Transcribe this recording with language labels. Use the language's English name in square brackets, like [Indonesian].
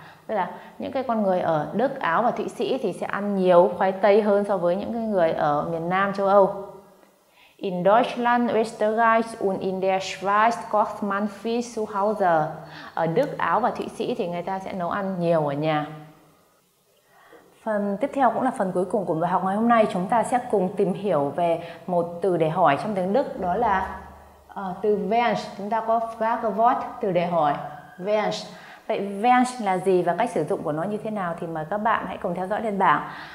[Vietnamese] Tức là những cái con người ở Đức, Áo và Thụy Sĩ thì sẽ ăn nhiều khoai tây hơn so với những cái người ở miền Nam châu Âu. [German] In Deutschland, Österreich und in der Schweiz kocht man viel zu Hause. [Vietnamese] Ở Đức, Áo và Thụy Sĩ thì người ta sẽ nấu ăn nhiều ở nhà. Phần tiếp theo cũng là phần cuối cùng của bài học ngày hôm nay, chúng ta sẽ cùng tìm hiểu về một từ để hỏi trong tiếng Đức, đó là từ Wens. Chúng ta có Fragewort, từ để hỏi Wens. Vậy Wens là gì và cách sử dụng của nó như thế nào thì mời các bạn hãy cùng theo dõi trên bảng.